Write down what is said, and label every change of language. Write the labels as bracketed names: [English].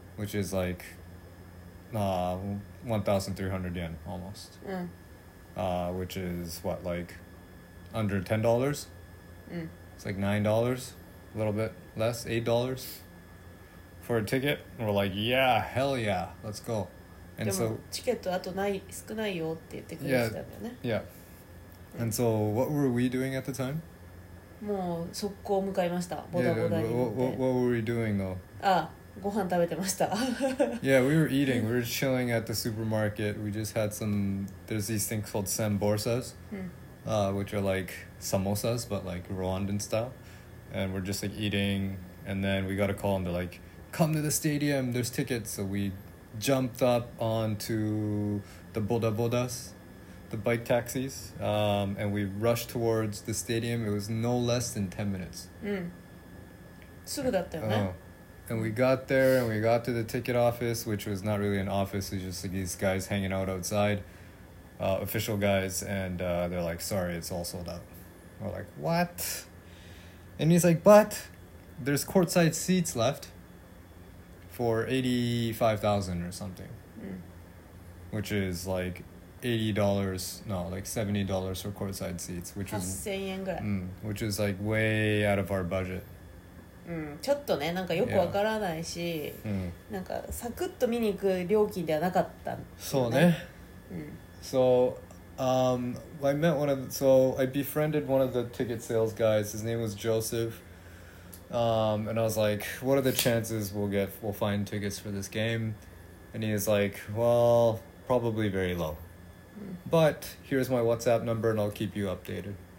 [English] Which is like 1,300 yen almost. Which is what, like under $10? It's like $9, a little bit less, $8 for a ticket. And we're like, yeah, hell yeah, let's go. And so, [Japanese] チケットあとない少ないよって言ってくれてたんだよね。 [English] Yeah. And so, what were we doing at the time? [Japanese] もう速攻向かいました。ボダボダに行って。 [English] What were we doing though? [Japanese] ああ、ご飯食べてました。 [English] Yeah, we were eating. We were chilling at the supermarket. We just had some. There's these things called samborsas, which are like samosas but like Rwandan style. And we're just like eating, and then we got a call and they're like, "Come to the stadium. There's tickets." So we jumped up onto the Boda Bodas, the bike taxis, and we rushed towards the stadium. It was no less than 10 minutes. [Japanese] すぐだったよね。 [English] And we got there and we got to the ticket office, which was not really an office. It was just like these guys hanging out outside, official guys, and they're like, sorry, it's all sold out. We're like, what? And he's like, but there's courtside seats left. For 85,000 or something, which is like $80, no, like $70 for courtside seats, which is 8,000 yen ぐらい、 which is like way out of our budget. [Japanese] ちょっとね、なんかよくわからないし、なんかサクッと見に行く料金ではなかったね。そうね。 [English] So, I met one of the, so I befriended one of the ticket sales guys. His name was Joseph. And I was like, what are the chances we'll find tickets for this game? And he is like, well, probably very low. But here's my WhatsApp number and I'll keep you updated.